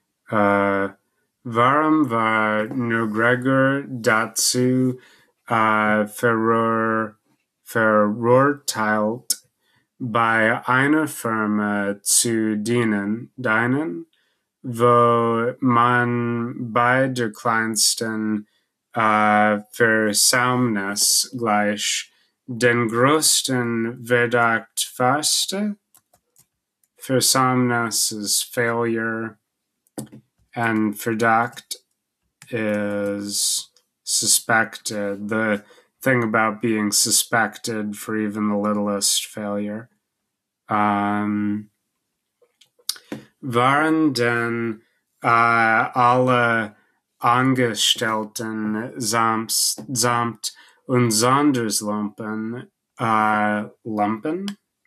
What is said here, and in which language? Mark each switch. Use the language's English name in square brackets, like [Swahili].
[German] Warum war nur Gregor dazu verurteilt bei einer Firma zu dienen, wo man bei der kleinsten Versäumnis gleich den größten Verdacht fasste? [English] Versäumnis is failure, and Verdacht is suspected, the thing about being suspected for even the littlest failure. [German] Waren denn alle Angestellten samt und Sonderslumpen, Lumpen?